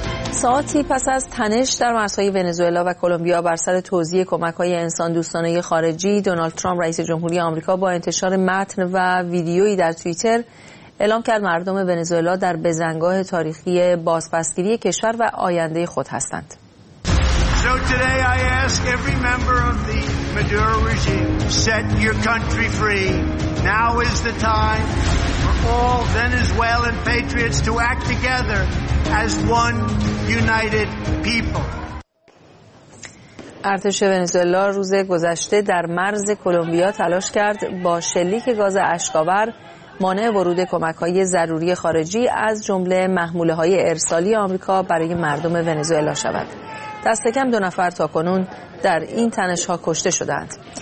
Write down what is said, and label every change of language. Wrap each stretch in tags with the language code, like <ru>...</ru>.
<fa>ساعتی پس از تنش در مرزهای ونزوئلا و کلمبیا بر سر توزیع کمک‌های انسان دوستانه خارجی، دونالد ترامپ رئیس جمهوری آمریکا با انتشار متن و ویدیویی در توییتر اعلام کرد مردم ونزوئلا در بزنگاه تاریخی بازپسگیری کشور و آینده خود هستند.</fa> <en>So today I ask every member of the Maduro regime, set your country free. Now is the time for all Venezuelan patriots to act together as one united people.</en> <fa>ارتش ونزوئلا روز گذشته در مرز کلمبیا تلاش کرد با شلیک گاز اشک‌آور مانع ورود کمک‌های ضروری خارجی از جمله محموله‌های ارسالی آمریکا برای مردم ونزوئلا شود. دست کم 2 نفر تاکنون در این تنش‌ها کشته شدند.</fa>